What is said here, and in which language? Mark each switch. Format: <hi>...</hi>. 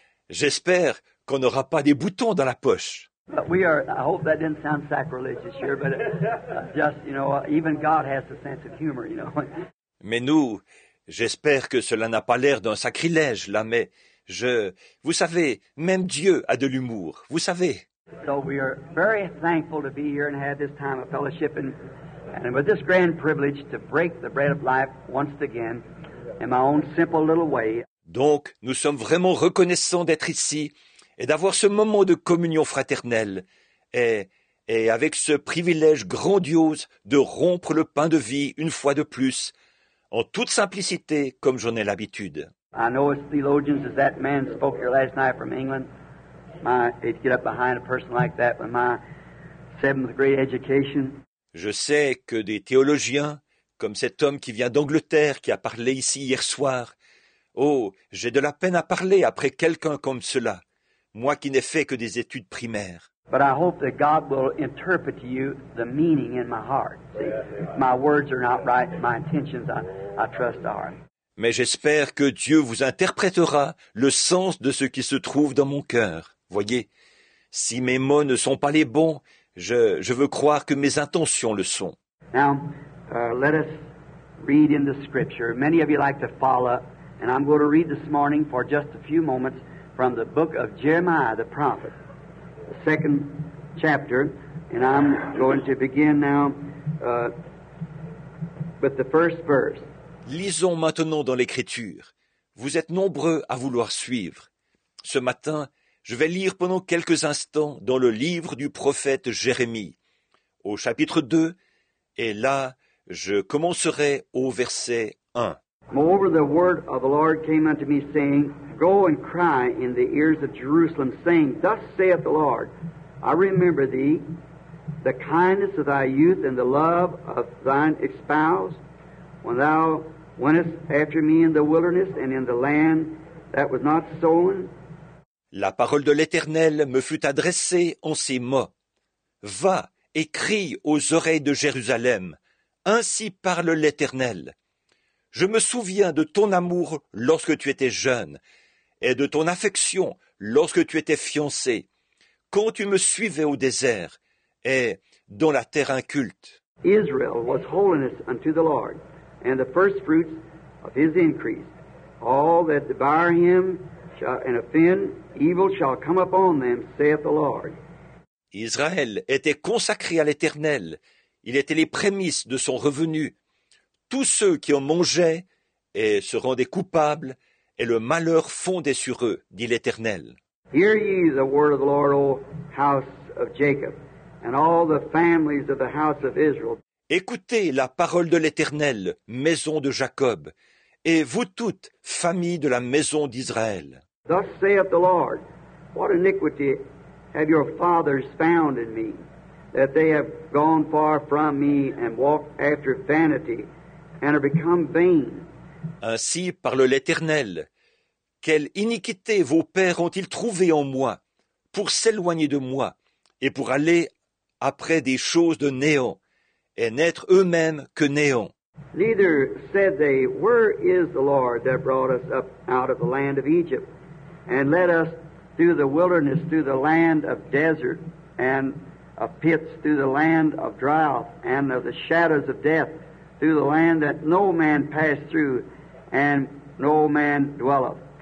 <fr>J'espère qu'on n'aura pas des boutons dans la poche.</fr> <en>But we are, I hope that didn't sound sacrilegious here, but just, you know, even God has a sense of humor, you know.</en> <fr>Mais nous, j'espère que cela n'a pas l'air d'un sacrilège, là, mais... Je, vous savez, même Dieu a de l'humour, vous savez.</fr> <en>So we are very thankful to be here and have this time of fellowship and with this grand privilege to break the bread of life once again in my own simple little way.</en> <fr>Donc, nous sommes vraiment reconnaissants d'être ici et d'avoir ce moment de communion fraternelle et avec ce privilège grandiose de rompre le pain de vie une fois de plus, en toute simplicité comme j'en ai l'habitude.</fr> <en>I know as theologians as that man spoke here last night from England. My, he'd get up behind a person like that with my seventh grade education.</en> <fr>Je sais que des théologiens, comme cet homme qui vient d'Angleterre, qui a parlé ici hier soir, oh, j'ai de la peine à parler après quelqu'un comme cela, moi qui n'ai fait que des études primaires.</fr> <en>But I hope that God will interpret to you the meaning in my heart. See, my words are not right, my intentions, I trust are.</en> <fr>Mais j'espère que Dieu vous interprétera le sens de ce qui se trouve dans mon cœur. Voyez, si mes mots ne sont pas les bons, je veux croire que mes intentions le sont.</fr> <en>Now, let us read in the scripture. Many of you like to follow, and I'm going to read this morning for just a few moments from the book of Jeremiah, the prophet, the second chapter, and I'm going to begin now with the first verse.</en> <fr>Lisons maintenant dans l'Écriture. Vous êtes nombreux à vouloir suivre. Ce matin, je vais lire pendant quelques instants dans le livre du prophète Jérémie, au chapitre 2, et là, je commencerai au verset 1.</fr> <en>Moreover, the word of the Lord came unto me, saying, go and cry in the ears of Jerusalem, saying, Thus saith the Lord, I remember thee, the kindness of thy youth and the love of thine espouse, when thou wentest after me in the wilderness and in the land that was not sown.</en> <fr>La parole de l'Éternel me fut adressée en ces mots. Va et crie aux oreilles de Jérusalem. Ainsi parle l'Éternel. Je me souviens de ton amour lorsque tu étais jeune et de ton affection lorsque tu étais fiancé, quand tu me suivais au désert et dans la terre inculte. Israël était</fr> <en>holiness unto the Lord, and the first fruits of his increase. All that devour him shall and offend, evil shall come upon them, saith the Lord.</en> <fr>Israël était consacré à l'Éternel. Il était les prémices de son revenu. Tous ceux qui en mangeaient et se rendaient coupables, et le malheur fondait sur eux, dit l'Éternel.</fr> <en>Hear ye the word of the Lord, O house of Jacob, and all the families of the house of Israel.</en> <fr>Écoutez la parole de l'Éternel, maison de Jacob, et vous toutes, familles de la maison d'Israël.</fr> <en>Thus saith the Lord, what iniquity have your fathers found in me, that they have gone far from me and walked after vanity, and are become vain.</en> <fr>Ainsi parle l'Éternel. Quelle iniquité vos pères ont-ils trouvé en moi, pour s'éloigner de moi, et pour aller après des choses de néant, et n'être eux-mêmes que néant?</fr> <en>Neither said they, Where is the Lord that brought us up out of the land of Egypt, and led us through the wilderness, through the land of desert, and of pits, through the land of drought, and of the shadows of death, through the land that no man passed through, and no man dwelleth.</en>